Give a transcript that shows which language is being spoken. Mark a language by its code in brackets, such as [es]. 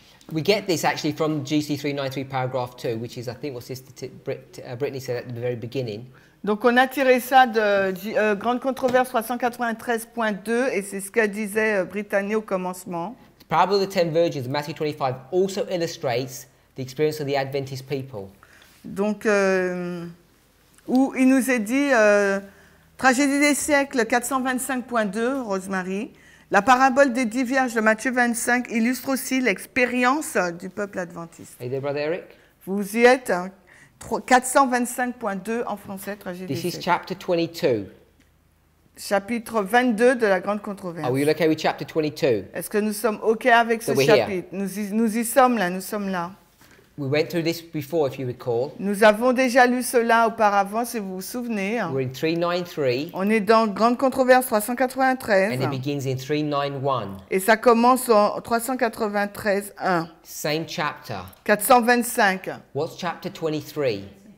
[en] We get this actually from GC393 paragraph 2, which is, I think, what Sister Brittany said at the very beginning. [fr] Donc, on a tiré ça de Grande Controverse 393.2, et c'est ce que disait Brittany au commencement. [en] The parable of the Ten Virgins, Matthew 25, also illustrates the experience of the Adventist people. [fr] Donc, où il nous est dit, Tragédie des siècles 425.2, Rosemary. La parabole des 10 vierges de Matthieu 25 illustre aussi l'expérience du peuple adventiste. [en] Hey there, brother Eric. [fr] Vous y êtes, 425.2 en français, tragédie. [en] This is chapter 22. [fr] Chapitre 22 de la Grande Controverse. [en] Are we okay with chapter 22? [fr] Est-ce que nous sommes OK avec ce chapitre? Nous y sommes là. [en] We went through this before, if you recall. [fr] Nous avons déjà lu cela auparavant, si vous vous souvenez. [en] We're in 393. [fr] On est dans Grande Controverse 393. [en] And it begins in 391. [fr] Et ça commence en 393.1. [en] Same chapter. 425. What's chapter 23?